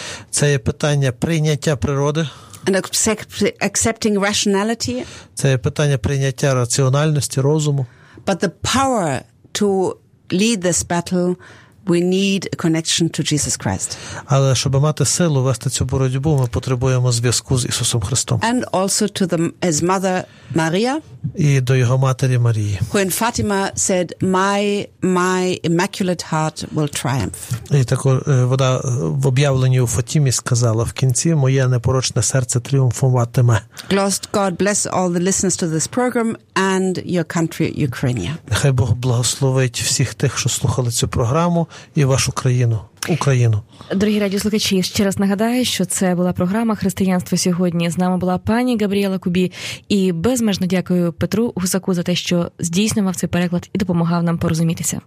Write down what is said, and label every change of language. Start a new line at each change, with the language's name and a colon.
Ukrainian: Це є питання прийняття природи.
English: And accepting rationality.
Ukrainian: Це є питання прийняття раціональності, розуму.
English: But the power to lead this battle, we need a connection to Jesus Christ.
Ukrainian: Але щоб мати силу вести цю боротьбу, ми потребуємо зв'язку з Ісусом Христом.
English: And also to his mother Maria.
Ukrainian: І до його матері Марії.
English: Who in Fatima said, my immaculate heart will triumph.
Ukrainian: І також вона в об'явленні у Фатімі сказала в кінці, моє непорочне серце тріумфуватиме.
English: God bless all the listeners to this program and your country, Ukraine.
Ukrainian: Нехай Бог благословить всіх тих, що слухали цю програму, і вашу країну, Україну. Дорогі радіослухачі, ще раз нагадаю, що це була програма «Християнство сьогодні». З нами була пані Габріела Кубі. І безмежно дякую Петру Гусаку за те, що здійснював цей переклад і допомагав нам порозумітися.